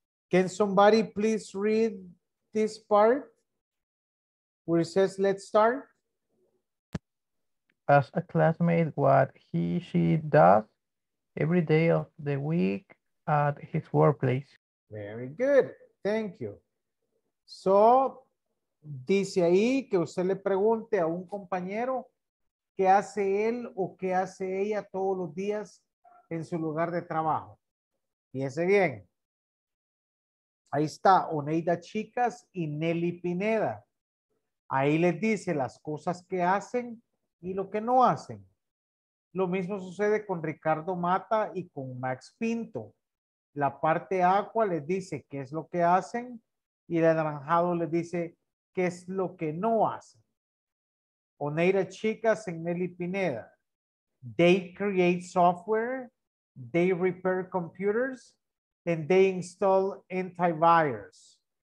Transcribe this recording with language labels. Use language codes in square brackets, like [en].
[en] Can somebody please read this part where it says, let's start? As a classmate, what he, she does every day of the week at his workplace. Very good. Thank you. [es] So, dice ahí que usted le pregunte a un compañero qué hace él o qué hace ella todos los días en su lugar de trabajo. Fíjense bien. Ahí está Oneida Chicas y Nelly Pineda. Ahí les dice las cosas que hacen y lo que no hacen. Lo mismo sucede con Ricardo Mata y con Max Pinto. La parte agua les dice qué es lo que hacen y el anaranjado les dice qué es lo que no hacen. Oneida Chicas en Nelly Pineda. [en] They create software, they repair computers, and they install antivirus.